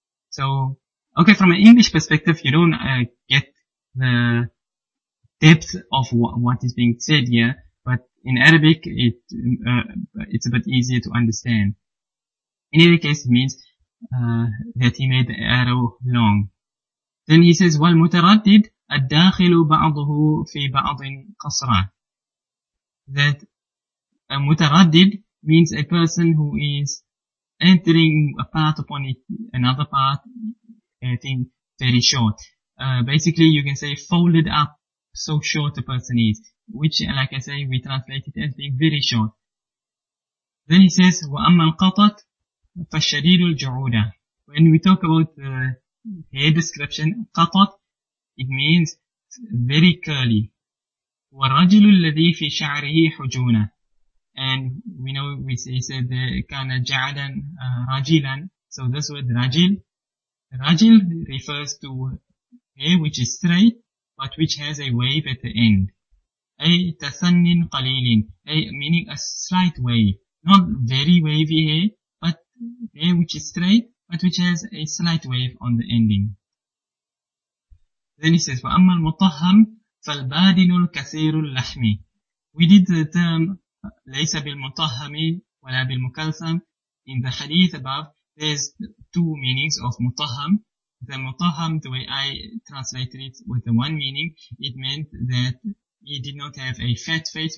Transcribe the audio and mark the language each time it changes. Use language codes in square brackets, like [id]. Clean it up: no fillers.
[en] So, okay, from an English perspective, you don't get the depth of what is being said here, but in Arabic, it's a bit easier to understand. In any case, it means that he made the arrow long. [ar] Then he says, وَالْمُتَرَدِّدْ أَدَّاخِلُ بَعْضُهُ فِي بَعْضٍ قَصْرًا. [en] That a mutaraddid means a person who is entering a part upon another part, anything very short. Basically, you can say folded up, so short a person is, which, like I say, we translate it as being very short. [ar] Then he says, وَأَمَّا الْقَطَطْ فَالشَّدِيدُ الْجُعُودَةِ. [en] When we talk about the hair description, قَطَطْ, it means very curly. [ar] وَالرَّجِلُ الَّذِي فِي شَعْرِهِ حُجُونَةِ. [en] And we know, he said, [ar] كَانَ جَعَدًا رَجِلًا. [en] So this word, رَجِل, Rajil refers to hair which is straight, but which has a wave at the end. [ar] أي تثنن قليلين, [en] meaning a slight wave. Not very wavy hair, but hair which is straight, but which has a slight wave on the ending. [ar] Then he says, وأما المطهم فالبادن الكثير اللحم. [en] We did the term [ar] ليس بالمطهم ولا بالمكلثم [en] in the hadith above. There's two meanings of mutaham. The mutaham, the way I translated it with the one meaning, it meant that he did not have a fat face.